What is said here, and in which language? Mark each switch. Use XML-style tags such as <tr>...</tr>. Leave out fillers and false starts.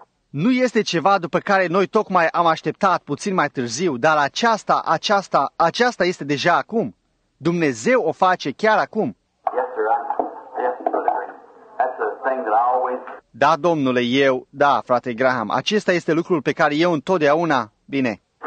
<ro>Nu este ceva după care noi tocmai am așteptat puțin mai târziu, dar aceasta este deja acum. Dumnezeu o face chiar acum.</ro> <en>Yes, sir, yes, that's a thing that I always...</en> <ro>Da, domnule, eu, da, frate Graham, acesta este lucrul pe care eu întotdeauna, bine.</ro>